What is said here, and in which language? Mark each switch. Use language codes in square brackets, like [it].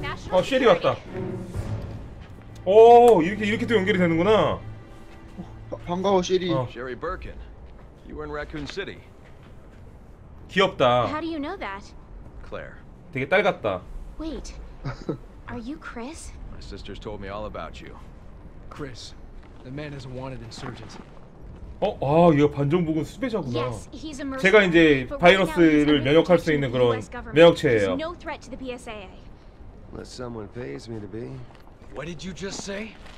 [ko] 어, 쉐리 왔다. 오, 이렇게 이렇게 또 연결이 되는구나. 반가워, 쉐리. 어. [en] Sherry Birkin. You were in Raccoon City. [ko] 귀엽다. [en] How do you know that? Claire. [ko] 되게 딸 같다. [en] Wait. Are you Chris? My sisters told me all about you. Chris. The man is a wanted insurgent. [ko] 어, 아, 얘 반정부군 수배자구나. [en] Yes, [ko] 제가 이제 바이러스를 면역할 수 있는 그런 면역체예요. [en] No threat to the PSAA. Unless someone pays me to be. What did you just say?